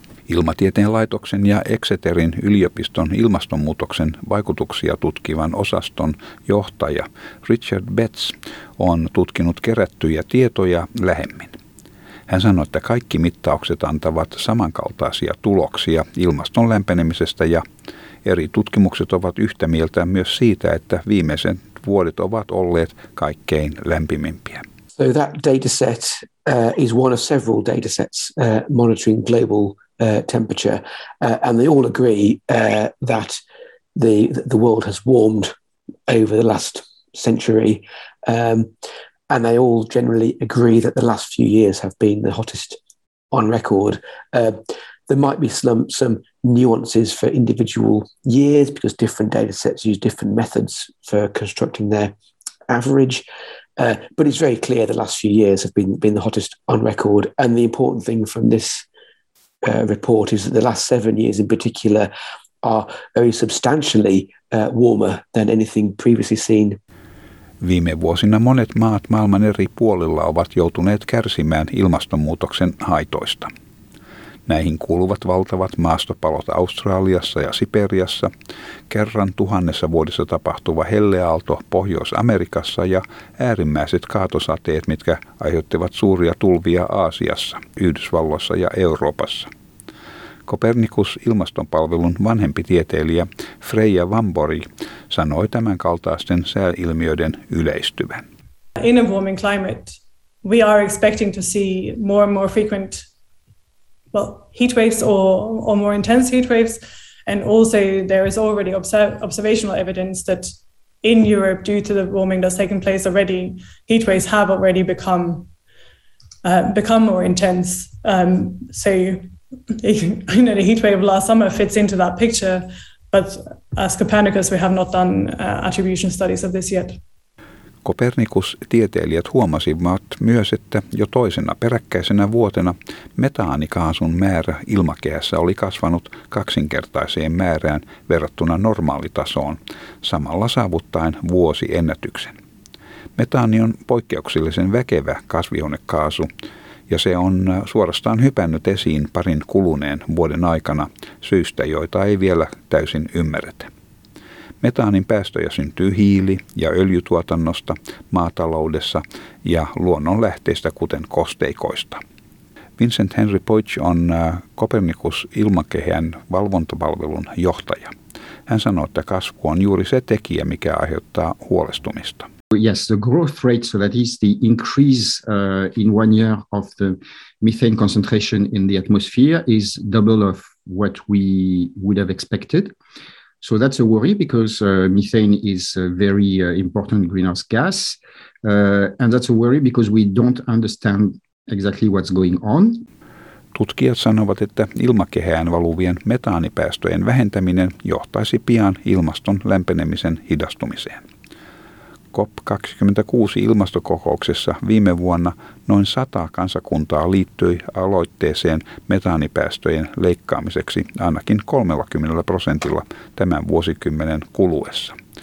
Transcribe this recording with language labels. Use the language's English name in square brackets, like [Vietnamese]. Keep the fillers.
[Finnish] Ilmatieteen laitoksen ja Exeterin yliopiston ilmastonmuutoksen vaikutuksia tutkivan osaston johtaja Richard Betts on tutkinut kerättyjä tietoja lähemmin. Hän sanoi, että kaikki mittaukset antavat samankaltaisia tuloksia ilmaston lämpenemisestä ja eri tutkimukset ovat yhtä mieltä myös siitä, että viimeisen vuodet ovat olleet kaikkein lämpimimpiä. [English] So that data uh, is one of several data uh, monitoring global Uh, temperature, uh, and they all agree uh, that the the world has warmed over the last century, um, and they all generally agree that the last few years have been the hottest on record. there might be some some nuances for individual years because different data sets use different methods for constructing their average. but it's very clear the last few years have been been the hottest on record. And the important thing from this report is that the last seven years in particular are very substantially uh, warmer than anything previously seen. [Finnish] Viime vuosina monet maat maailman eri puolilla ovat joutuneet kärsimään ilmastonmuutoksen haitoista. Näihin kuuluvat valtavat maastopalot Australiassa ja Siperiassa, kerran tuhannessa vuodessa tapahtuva helleaalto Pohjois-Amerikassa ja äärimmäiset kaatosateet, mitkä aiheuttivat suuria tulvia Aasiassa, Yhdysvalloissa ja Euroopassa. Kopernikus ilmastonpalvelun vanhempi tieteilijä Freja Vambori sanoi tämän kaltaisten sääilmiöiden yleistyvän. [English] In a warming climate, we are expecting to see more and more frequent well, heat waves or, or, more intense heat waves. And also, there is already observ- observational evidence that in Europe, due to the warming that's taken place already, heat waves have already become uh, become more intense. Um, so, you know, the heat wave of last summer fits into that picture. But as Copernicus, we have not done uh, attribution studies of this yet. [Finnish] Kopernikus tieteilijät huomasivat myös, että jo toisena peräkkäisenä vuotena metaanikaasun määrä ilmakehässä oli kasvanut kaksinkertaiseen määrään verrattuna normaalitasoon, samalla saavuttaen vuosiennätyksen. Metaani on poikkeuksellisen väkevä kasvihuonekaasu, ja se on suorastaan hypännyt esiin parin kuluneen vuoden aikana syystä, joita ei vielä täysin ymmärretä. Metaanin päästöjä syntyy hiili- ja öljytuotannosta, maataloudessa ja luonnonlähteistä, kuten kosteikoista. Vincent Henry Poich on Kopernikus ilmakehän valvontapalvelun johtaja. Hän sanoo, että kasvu on juuri se tekijä, mikä aiheuttaa huolestumista. [English] Yes, the growth rate, so that is the increase uh, in one year of the methane concentration in the atmosphere, is double of what we would have expected. So that's a worry because uh, methane is a very important greenhouse gas. Uh, and that's a worry because we don't understand exactly what's going on. [Finnish] Tutkijat sanovat, että ilmakehään valuvien metaanipäästöjen vähentäminen johtaisi pian ilmaston lämpenemisen hidastumiseen. COP26 ilmastokokouksessa viime vuonna noin 100 kansakuntaa liittyi aloitteeseen metaanipäästöjen leikkaamiseksi ainakin 30 prosentilla tämän vuosikymmenen kuluessa.